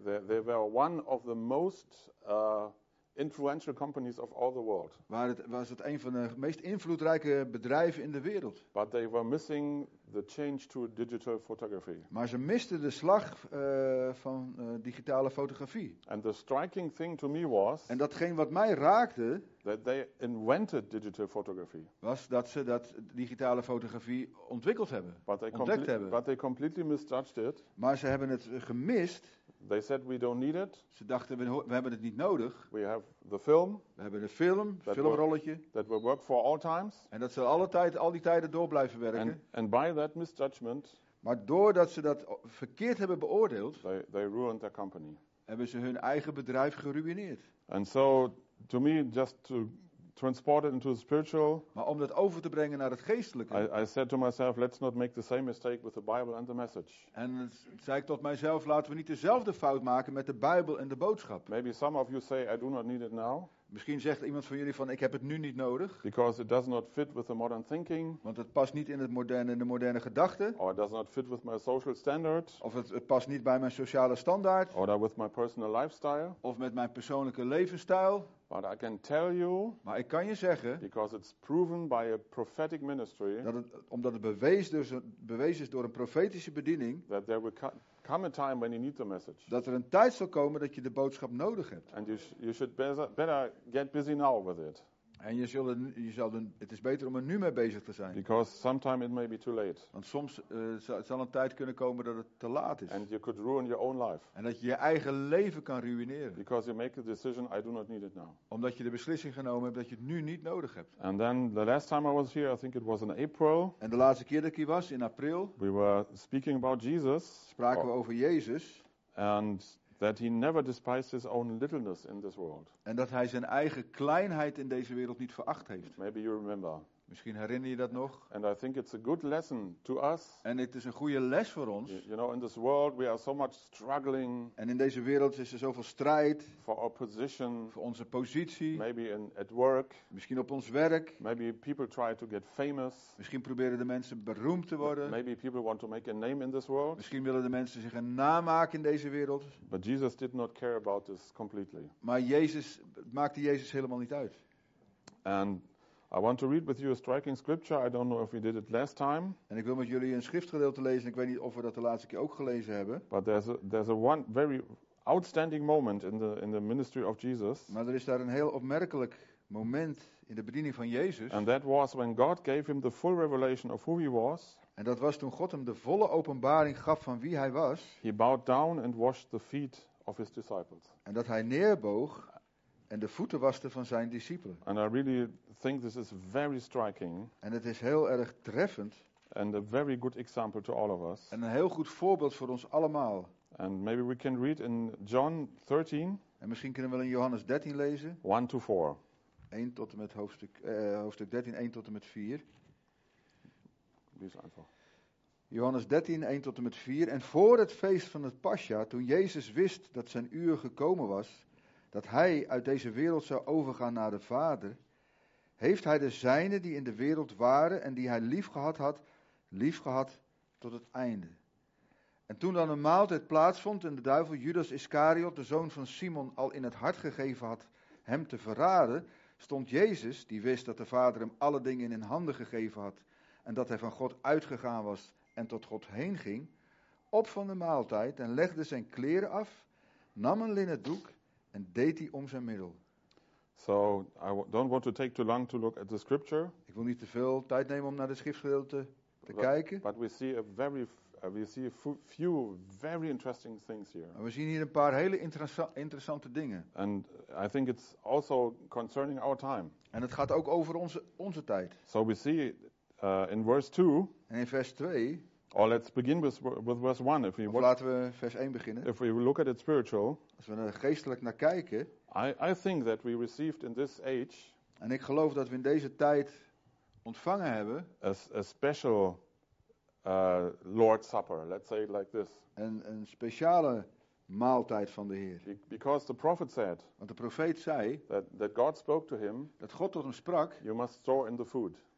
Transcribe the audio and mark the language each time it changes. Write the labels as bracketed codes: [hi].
[en] They were one of the most influential companies of all the world. [nl] Was het een van de meest invloedrijke bedrijven in de wereld. [en] But they were missing the change to digital photography. [nl] Maar ze misten de slag van digitale fotografie. [en] And the striking thing to me was. [nl] En datgene wat mij raakte. [en] That they invented digital photography. [nl] Was dat ze dat digitale fotografie ontwikkeld hebben. [en] But they completely misjudged it. [nl] Maar ze hebben het gemist. [en] They said we don't need it. [nl] Ze dachten we hebben het niet nodig. [en] We have the film. [nl] We hebben de film, het filmrolletje. [en] That will work for all times. [nl] En dat zal al die tijden door blijven werken. [en] And by that misjudgment. [nl] Maar doordat ze dat verkeerd hebben beoordeeld. [en] They ruined their company. [nl] Hebben ze hun eigen bedrijf geruïneerd. [en] And so to me, just to transport it into the spiritual. [nl] Maar om dat over te brengen naar het geestelijke. [en] I said to myself, let's not make the same mistake with the Bible and the message. [nl] En zei ik tot mijzelf, laten we niet dezelfde fout maken met de Bijbel en de boodschap. [en] Maybe some of you say, I do not need it now. [nl] Misschien zegt iemand van jullie van, ik heb het nu niet nodig. [en] Because it does not fit with the modern thinking. [nl] Want het past niet in de moderne gedachte. [en] Or it does not fit with my social standard. [nl] Of het past niet bij mijn sociale standaard. [en] Or with my personal lifestyle. [nl] Of met mijn persoonlijke levensstijl. [en] But I can tell you, [nl] maar ik kan je zeggen, [en] because it's proven by a prophetic ministry, [nl] omdat het bewezen is door een profetische bediening, [en] that there will come a time when you need the message. [nl] Dat er een tijd zal komen dat je de boodschap nodig hebt. [en] And you should better get busy now with it. [nl] En het is beter om er nu mee bezig te zijn. [en] Because sometime it may be too late. [nl] Want soms zal een tijd kunnen komen dat het te laat is. [en] And you could ruin your own life. [nl] En dat je je eigen leven kan ruïneren. [en] Because you make a decision, I do not need it now. [nl] Omdat je de beslissing genomen hebt dat je het nu niet nodig hebt. [en] And then the last time I was here, I think it was in April. [nl] En de laatste keer dat ik hier was, in april. [en] We were speaking about Jesus. [nl] Spraken we over Jezus. [en] And that he never despised his own littleness in this world. [nl] En dat hij zijn eigen kleinheid in deze wereld niet veracht heeft. [en] Maybe you remember. [nl] Misschien herinner je dat nog. [en] And I think it's a good lesson to us. [nl] En het is een goede les voor ons. [en] You know, in this world we are so much struggling. [nl] En in deze wereld is er zoveel strijd. [en] For our position. [nl] Voor onze positie. [en] Maybe at work. [nl] Misschien op ons werk. [en] Maybe people try to get famous. [nl] Misschien proberen de mensen beroemd te worden. [en] Maybe people want to make a name in this world. [nl] Misschien willen de mensen zich een naam maken in deze wereld. [en] But Jesus did not care about this completely. [nl] Maar Jezus maakte Jezus helemaal niet uit. [en] And I want to read with you a striking scripture. I don't know if we did it last time. [nl] En ik wil met jullie een schriftgedeelte lezen. Ik weet niet of we dat de laatste keer ook gelezen hebben. [en] But there's a one very outstanding moment in the ministry of Jesus. [nl] Maar er is daar een heel opmerkelijk moment in de bediening van Jezus. [en] And that was when God gave him the full revelation of who he was. [nl] En dat was toen God hem de volle openbaring gaf van wie hij was. [en] He bowed down and washed the feet of his disciples. [nl] En dat hij neerboog en de voeten waste van zijn discipelen. [en] And I really think this is very striking. [nl] En het is heel erg treffend. [en] And a very good example to all of us. [nl] En een heel goed voorbeeld voor ons allemaal. [en] And maybe we can read in John 13. [nl] En misschien kunnen we in Johannes 13 lezen. [en] 1 to 4. [nl] 1 tot en met hoofdstuk 13, 1 tot en met 4. Lees einfach. Johannes 13, 1 tot en met 4. En voor het feest van het Pascha, toen Jezus wist dat zijn uur gekomen was, dat hij uit deze wereld zou overgaan naar de Vader, heeft hij de zijnen die in de wereld waren en die hij lief gehad had, lief gehad tot het einde. En toen dan een maaltijd plaatsvond en de duivel Judas Iscariot, de zoon van Simon, al in het hart gegeven had hem te verraden, stond Jezus, die wist dat de Vader hem alle dingen in handen gegeven had en dat hij van God uitgegaan was en tot God heen ging, op van de maaltijd en legde zijn kleren af, nam een linnen doek en deed die om zijn middel. [en] So I don't want to take too long to look at the scripture. [nl] Ik wil niet te veel tijd nemen om naar de schriftgedeelte te kijken. [en] But we see a few very interesting things here. [nl] En we zien hier een paar hele interessante dingen. [en] And I think it's also concerning our time. [nl] En het gaat ook over onze tijd. [en] So we see in verse 2. [nl] En in vers 2. [en] Or let's begin with verse 1. If [nl] we laten we vers 1 beginnen. [en] If we look at it spiritual. [nl] Als we er geestelijk naar kijken. [en] I think that we received in this age. [nl] En ik geloof dat we in deze tijd ontvangen hebben. [en] A special Lord's Supper. Let's say it like this. [nl] Een speciale maaltijd van de Heer. [en] Because the prophet said. [nl] Want de profeet zei. [en] That God spoke to him. [nl] Dat God tot hem sprak. [en] You must store in the food.